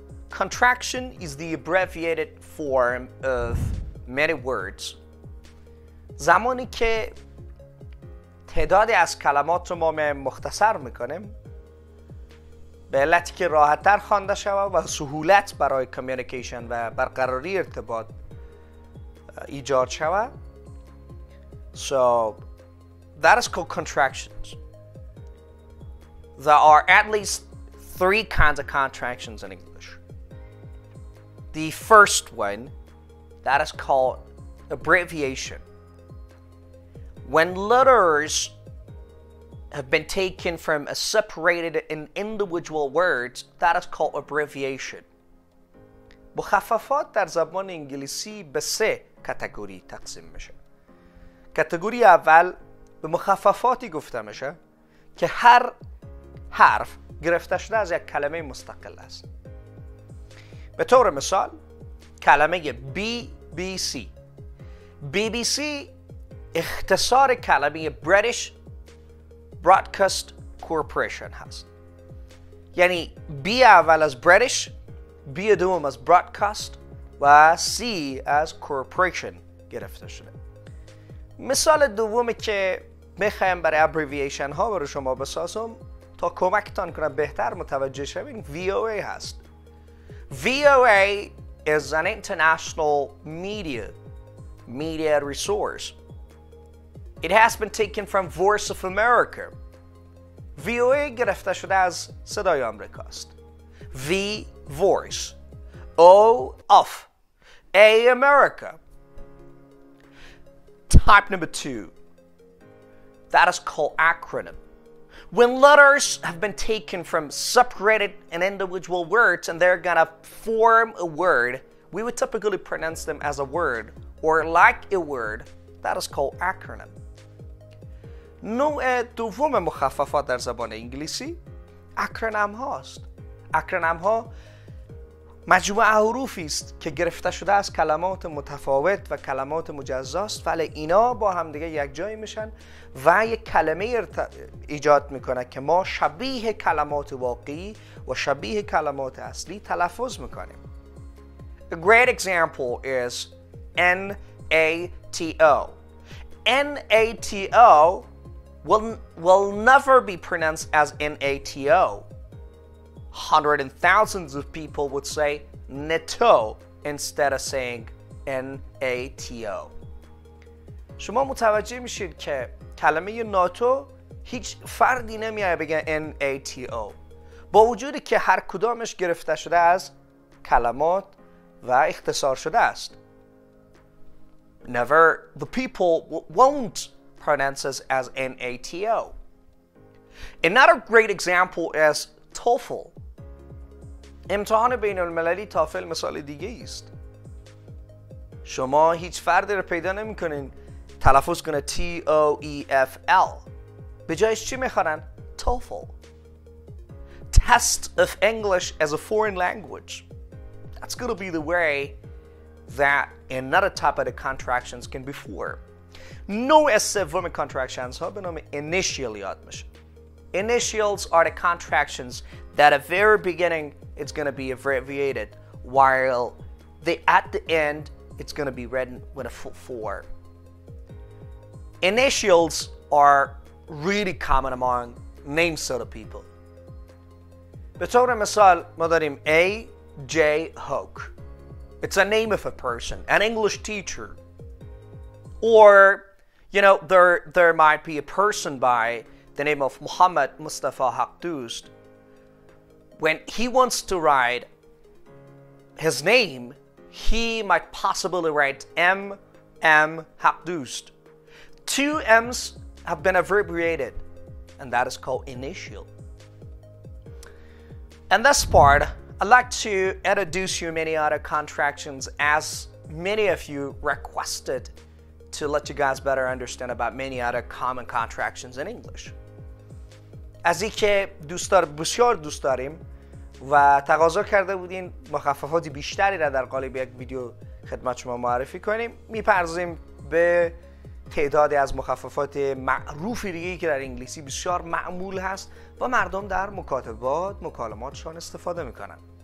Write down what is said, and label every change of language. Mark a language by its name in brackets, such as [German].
[English] Contraction is the abbreviated form of many words. [Persian] زمانی که تعداد از کلمات رو ما مختصر میکنیم به علتی که راحت تر خوانده شود و سهولت برای کمیونیکیشن و برقراری ارتباط ایجاد شود. [English] So that is called contractions. There are at least three kinds of contractions in English. The first one, that is called abbreviation. When letters have been taken from a separated and individual words, that is called abbreviation. [Persian] مخففات در زبان انگلیسی به سه کاتگوری تقسیم میشه. کاتگوری اول به مخففاتی گفته میشه که هر حرف گرفته شده از یک کلمه مستقل است. به طور مثال کلمه BBC. BBC اختصار کلمه British Broadcast Corporation هست. یعنی بی اول از British، بی دوم از Broadcast و سی از Corporation گرفته شده. مثال دومی که میخوایم برای abbreviation ها برای شما بسازم تا کمکتان کنم بهتر متوجه شوین، VOA هست. [English] VOA is an international media resource. It has been taken from Voice of America. [Persian] VOA گرفته شده از صدای آمریکا است. [English] V Voice. O Off. A America. Type number two. That is called acronym. When letters have been taken from separated and individual words and they're gonna form a word, we would typically pronounce them as a word or like a word. That is called acronym. [Persian] نوع دوم مخففات در زبان انگلیسی اکرونم هاست. اکرونم ها مجموعه حروفی است که گرفته شده از کلمات متفاوت و کلمات مجزا است، ولی اینا با هم دیگه یک جای میشن و یک کلمه ایجاد میکنه که ما شبیه کلمات واقعی و شبیه کلمات اصلی تلفظ میکنیم. [English] A great example is NATO. NATO will never be pronounced as NATO. Hundreds and thousands of people would say NATO instead of saying NATO. [Persian] شما متوجه میشید که کلمه ناتو هیچ فردی نمیاد بگه NATO. با وجودی که هر کدامش گرفته شده از کلمات و اختصار شده است. [English] Never the people won't pronounces as NATO. Another great example is TOEFL. [Persian] امتحان بین المللی تافل مثال دیگه است. شما هیچ فردی رو پیدا نمی کنین تلفظ کنه TOEFL. به جایش چی می خوانن؟ TOEFL. [English] Test of English as a foreign language. That's going to be the way that another type of the contractions can be formed. [Persian] نوع سوم contractions ها به نام initial یاد میشه. [English] Initials are the contractions that at the very beginning it's going to be abbreviated while at the end it's going to be written with a full form. Initials are really common among name sort of people. [Persian] به طور مثال ما داریم A. J. Hoke. [English] It's a name of a person, an English teacher. Or you know, there might be a person by the name of Muhammad Mustafa Haqdust. When he wants to write his name, he might possibly write M.M. Haqdust. Two M's have been abbreviated, and that is called initial. And this part, I'd like to introduce you many other contractions as many of you requested to let you guys better understand about many other common contractions in English. [Persian] از این که دوستار بسیار دوست داریم و تقاضا کرده بودین مخففات بیشتری را در قالب یک ویدیو خدمت شما معرفی کنیم میپرزیم به تعدادی از مخففات معروفی دیگه که در انگلیسی بسیار معمول هست و مردم در مکاتبات مکالماتشان استفاده میکنن.